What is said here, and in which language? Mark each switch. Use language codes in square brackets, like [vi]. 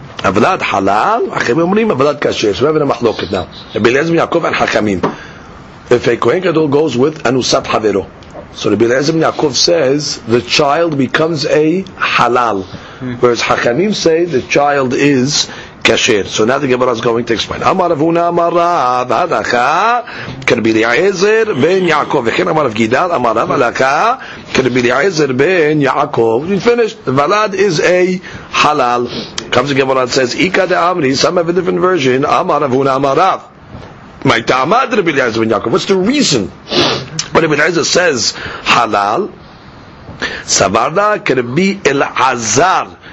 [he] אבלד חלל, אחרים אומרים אבלד כשר. [en] So we have a machloket now. Rabbi Elazar ben Yaakov and Chachamim. If a Kohen Gadol goes with [he] Anusat Havero. [en] So Rabbi Elazar ben Yaakov says, the child becomes a halal. Whereas Chachamim say, the child is כשר. So now the Gemara is going to explain. [he] אמר רב הונא אמר רב, הלכה, כרבי אליעזר בן יעקב. וכן אמר רב גידל, אמר רב, הלכה, כרבי אליעזר בן יעקב. [en] We finished. ולד is a halal. Comes the Gemara and says, [arc] Ika de Amri, [en] some have a different version, [arc] Amar Rav Huna Amar Rav. My Ta'amad [en] Rabbi Elazar ben Yaakov. What's the reason? But Rabbi Elazar says, Halal, [arc] Sabarda Kerbi El Azar.